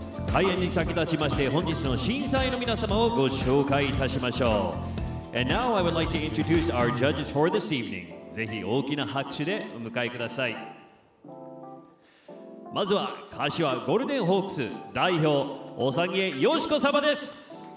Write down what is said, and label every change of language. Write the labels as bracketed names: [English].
[Japanese] 開演に先立ちまして本日の審査員の皆様をご紹介いたしましょう。 [English] And now I would like to introduce our judges for this evening。 [Japanese] ぜひ大きな拍手でお迎えください。まずは柏ゴールデンホークス代表おさぎえよしこ様です。